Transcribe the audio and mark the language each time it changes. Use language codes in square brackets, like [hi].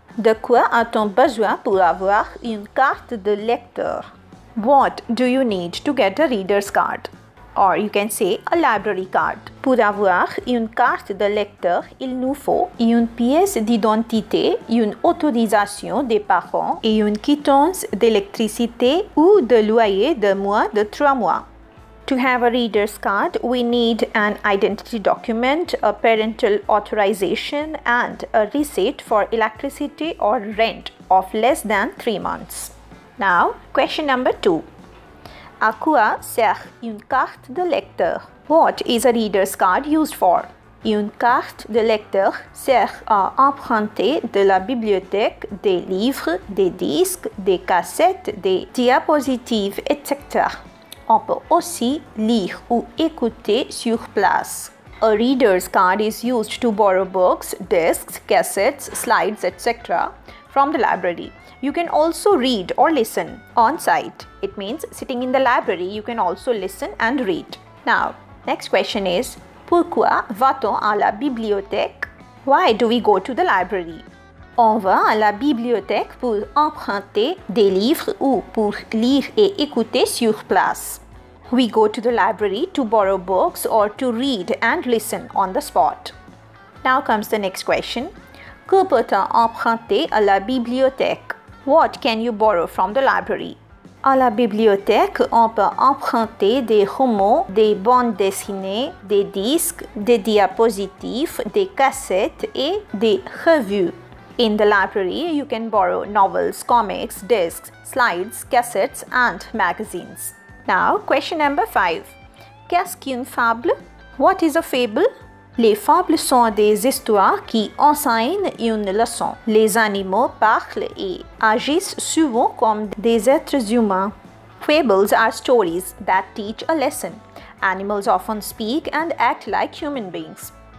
[fr] De quoi a-t-on besoin pour avoir une carte de lecteur? [en] What do you need to get a reader's card? Or you can say a library card. [fr] Pour avoir une carte de lecteur, il nous faut une pièce d'identité, une autorisation des parents et une quittance d'électricité ou de loyer de moins de 3 mois. [en] To have a reader's card, we need an identity document, a parental authorization and a receipt for electricity or rent of less than 3 months. Now, question number 2. [fr] À quoi sert une carte de lecteur? [en] What is a reader's card used for? [fr] Une carte de lecteur sert à emprunter de la bibliothèque des livres, des disques, des cassettes, des diapositives, etc. On peut aussi lire ou écouter sur place. [en] A reader's card is used to borrow books, discs, cassettes, slides, etc. from the library. You can also read or listen on site. It means sitting in the library, you can also listen and read. Now, next question is, [fr] pourquoi va-t-on à la bibliothèque? [en] Why do we go to the library? [fr] On va à la bibliothèque pour emprunter des livres ou pour lire et écouter sur place. [en] We go to the library to borrow books or to read and listen on the spot. Now comes the next question. [fr] Que peut-on emprunter à la bibliothèque? [en] What can you borrow from the library? [fr] À la bibliothèque, on peut emprunter des romans, des bandes dessinées, des disques, des diapositives, des cassettes et des revues. [en] In the library, you can borrow novels, comics, discs, slides, cassettes and magazines. Now, question number 5. [fr] Qu'est-ce qu'une fable? [en] What is a fable? [fr] Les fables sont des histoires qui enseignent une leçon. Les animaux parlent et agissent souvent comme des êtres humains. [en] Fables are stories that teach a lesson. Animals often speak and act like human beings.